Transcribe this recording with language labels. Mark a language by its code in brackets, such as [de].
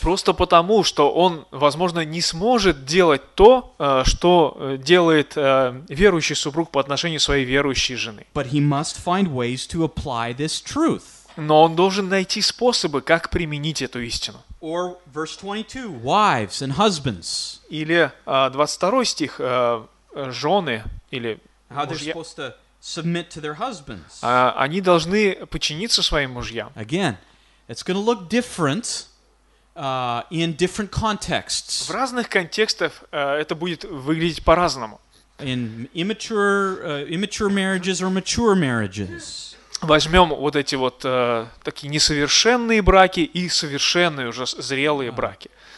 [ru] Просто потому, что он, возможно, не сможет делать то, что делает верующий супруг по отношению своей верующей жены. [en] But he must find ways to apply this truth. [ru] Но он должен найти способы, как применить эту истину. [en] Or verse 22, wives and husbands. [ru] Или 22 стих, жены или мужья. [en] How they're supposed to submit to their husbands. [ru] Они должны подчиниться своим мужьям. [en] Again, it's going to look different in different contexts. [ru] В разных контекстах это будет выглядеть по-разному. [en] In immature marriages or mature marriages. [ru] Возьмем вот эти вот такие несовершенные браки и совершенные уже зрелые браки.